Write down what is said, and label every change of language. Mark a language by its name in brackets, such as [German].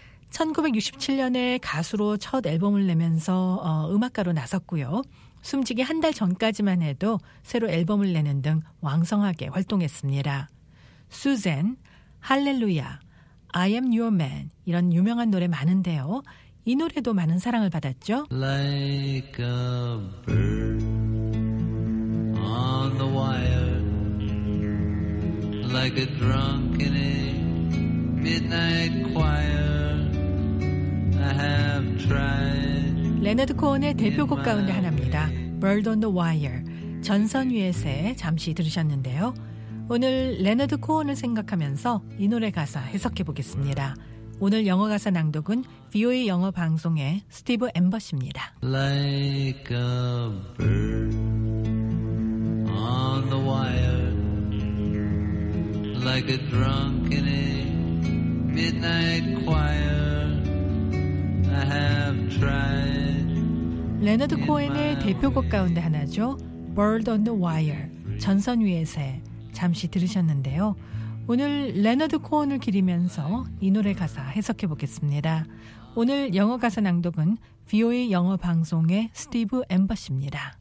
[Korean] 1967년에 가수로 첫 앨범을 내면서 음악가로 나섰고요. 숨지기 한 달 전까지만 해도 새로 앨범을 내는 등 왕성하게 활동했습니다. 수잔, 할렐루야, I am your man 이런 유명한 노래 많은데요. 이 노래도 많은 사랑을 받았죠. [English] Like a bird on the wire, like a drunk in a midnight choir, I have tried. [Korean] 레너드 코헨의 대표곡 가운데 하나입니다. [English] Bird on the Wire. [Korean] 전선 위의 새 잠시 들으셨는데요. 오늘 레너드 코헨을 생각하면서 이 노래 가사 해석해 보겠습니다. 오늘 영어 가사 낭독은 VOA 영어 방송의 스티브 엠버시입니다. [English] Like a bird on the wire, like a drunk in a midnight choir, I have tried. [Korean] 레너드 코헨의 대표곡 가운데 하나죠. Bird on the Wire, 전선 위의 새 잠시 들으셨는데요. 오늘 레너드 코헨을 기리면서 이 노래 가사 해석해 보겠습니다. 오늘 영어 가사 낭독은 VOA 영어 방송의 스티브 엠버시입니다.